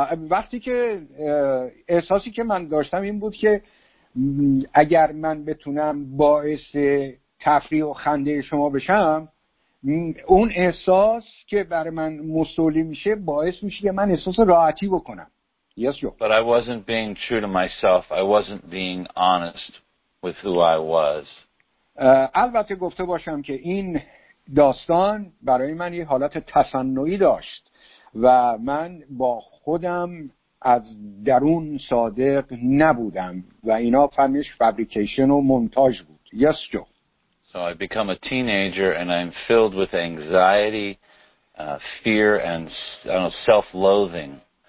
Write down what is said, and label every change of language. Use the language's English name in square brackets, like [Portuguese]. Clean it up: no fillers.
[Persian] وقتی که احساسی که من داشتم این بود که اگر من بتونم باعث تفریح و خنده شما بشم، اون احساس که بر من مسئولی میشه باعث میشه که من احساس راحتی بکنم. [English] Yes, Joe. But I wasn't being true to myself. I wasn't being honest with who I was. [Persian] البته گفته باشم که این داستان برای من یه حالت تصنعی داشت و من با خودم از درون صادق نبودم و اینا فهمش فابریکیشن و مونتاژ بود. [English] Yes, Joe. So I become a teenager and I'm filled with anxiety, fear and self-loathing.